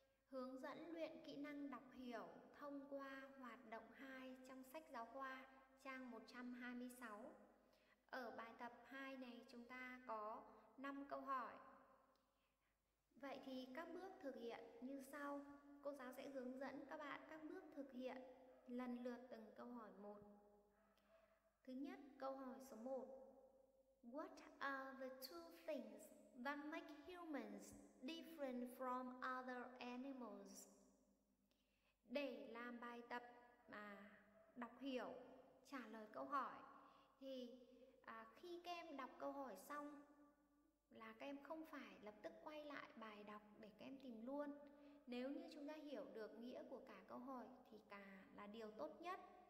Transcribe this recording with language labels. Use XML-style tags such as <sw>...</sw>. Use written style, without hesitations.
<vi>Hướng dẫn luyện kỹ năng đọc hiểu thông qua hoạt động 2 trong sách giáo khoa, trang 126. Ở bài tập 2 này chúng ta có 5 câu hỏi. Vậy thì các bước thực hiện như sau. Cô giáo sẽ hướng dẫn các bạn các bước thực hiện lần lượt từng câu hỏi một. Thứ nhất, câu hỏi số 1.</vi> <en>What are the two things that make humans different from other animals?</en> <vi>Để làm bài tập mà đọc hiểu, trả lời câu hỏi, thì khi các em đọc câu hỏi xong là các em không phải lập tức quay lại bài đọc để các em tìm luôn. Nếu như chúng ta hiểu được nghĩa của cả câu hỏi thì cả là điều tốt nhất.</vi>